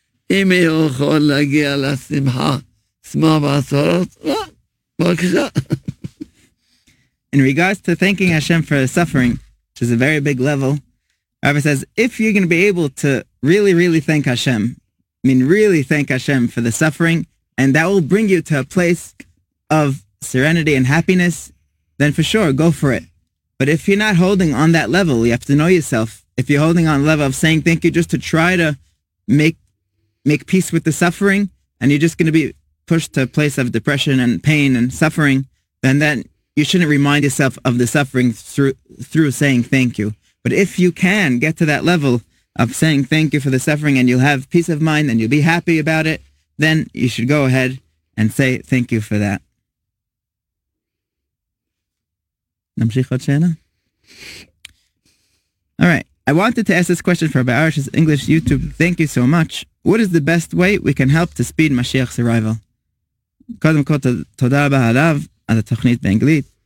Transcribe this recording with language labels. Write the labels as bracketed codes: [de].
[he] אם הוא יכול להגיע לשמחה, שמח בצרות, לא, בבקשה. [en] In regards to thanking Hashem for suffering, which is a very big level, Rabbi says, if you're going to be able to really, really thank Hashem, I mean, really thank Hashem for the suffering, and that will bring you to a place of serenity and happiness, then for sure, go for it. But if you're not holding on that level, you have to know yourself. If you're holding on the level of saying thank you just to try to make peace with the suffering, and you're just going to be pushed to a place of depression and pain and suffering, then you shouldn't remind yourself of the suffering through saying thank you. But if you can get to that level of saying thank you for the suffering and you'll have peace of mind and you'll be happy about it, then you should go ahead and say thank you for that. [he] נמשיך עוד שאלה? [en] All right. I wanted to ask this question for Arash's English YouTube. Thank you so much. What is the best way we can help to speed Mashiach's arrival? [he] קודם כל, תודה רבה עליו על התוכנית באנגלית.